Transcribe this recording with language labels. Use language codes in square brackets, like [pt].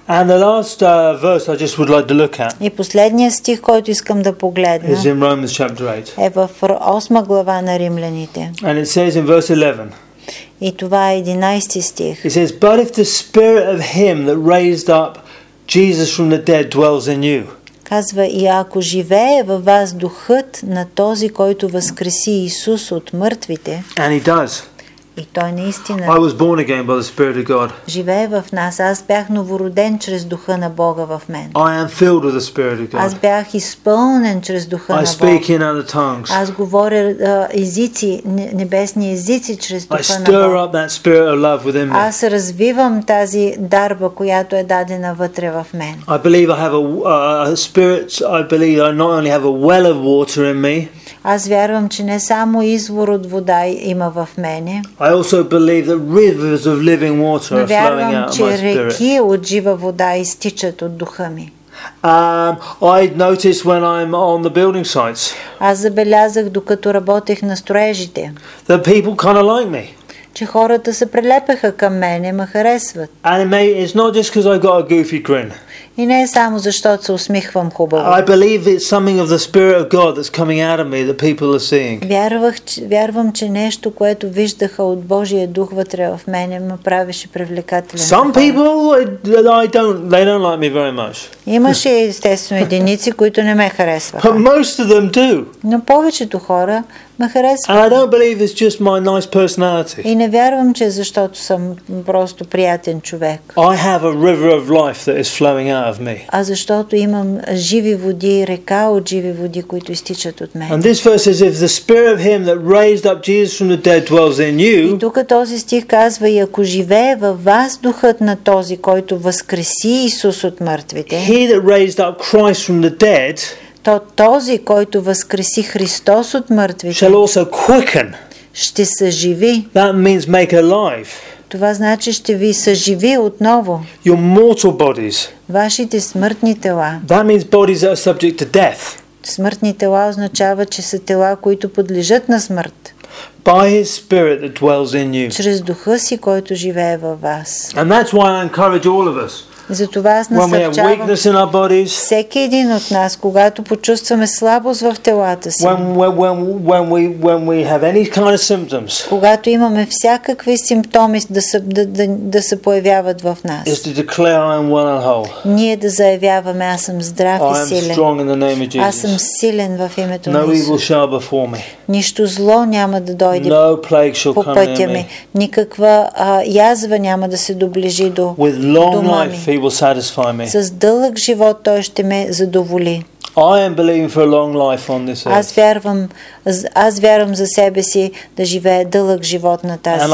[en] And the last verse I just would like to look at. [bg] И последният стих, който искам да погледна. [en] Is in Romans chapter 8. [bg] Е в 8 глава на Римляните. [en] And it says in verse 11. [bg] И това е 11 стих. [en] It says, but if the spirit of him that raised up Jesus from the dead dwells in you. [bg] Казва, и ако живее във вас духът на този, който възкреси Исус от мъртвите. [en] And he does. [bg] И той наистина. [en] I was born again by the spirit of God. [bg] Живее в нас, аз бях новороден чрез духа на Бога в мен. [en] I am filled with the spirit of God. [bg] Аз бях изпълнен чрез духа на Бога. [en] I speak in other tongues. [bg] Аз говоря езици, небесни езици чрез духа на Бога. [en] I stir up that spirit of love within me. [bg] Аз развивам тази дарба, която е дадена вътре в мен. [en] I believe I have a spirit. I believe I not only have a well of water in me. [bg] Аз вярвам, че не само извор от вода има в мене. [en] I also believe that rivers of living water are flowing out of my spirit. [bg] Вярвам, че реки от жива вода изтичат от духа ми. [en] I notice when I'm on the building sites. [bg] Аз забелязах, докато работех на строежите. [en] The people kind of like me. [bg] Че хората се прилепеха към мене, ме харесват. [en] And it's not just because I've got a goofy grin. [bg] И не е само защото се усмихвам хубаво. [en] I believe it's something of the spirit of God that's coming out of me that people are seeing. [bg] Вярвам, че нещо, което виждаха от Божия дух вътре в мене, ме правеше привлекателен. [en] Some people they don't like me very much. [bg] Имаше естествено единици, които не ме харесваха. [en] But most of them do. [bg] Но повечето хора ме харесват. [en] And I don't believe it's just my nice personality. [bg] И не вярвам, че защото съм просто приятен човек. [en] I have a river of life that is flowing out of me. [bg] А защото имам живи води, река от живи води, които изтичат от мен. [en] And this verse says, if the spirit of him that raised up Jesus from the dead dwells in you. [bg] И тук този стих казва, и ако живее във вас духът на този, който възкреси Исус от мъртвите. [en] He that raised up Christ from the dead. [bg] То този, който възкреси Христос от мъртвите. [en] Shall also quicken. [bg] Ще съживи. [en] That means make alive. [bg] Това значи ще ви съживи отново. [en] Your mortal bodies. [bg] Вашите смъртни тела. [en] That means bodies that are subject to death. [bg] Смъртни тела означава, че са тела, които подлежат на смърт. [en] By his spirit that dwells in you. [bg] Чрез духа си, който живее във вас. [en] And that's why I encourage all of us. [bg] Затова аз насърчавам всеки един от нас, когато почувстваме слабост в телата си. [en] When we have any kind of symptoms. [bg] Когато имаме всякакви симптоми да се появяват в нас. [en] Is to declare I am well and whole. [bg] Ние да заявяваме аз съм здрав и силен. [en] I am strong in the name of Jesus. [bg] Аз съм силен в името на Исус. [en] No evil shall befall me. [bg] Нищо зло няма да дойде. [en] No plague shall come near me. [bg] По пътя ми никаква язва няма да се доближи до дома ми. [en] He will satisfy me. [bg] С дълъг живот той ще ме задоволи. [en] I am believing for a long life on this earth. [bg] Аз вярвам за себе си да живея дълъг живот на тази земя.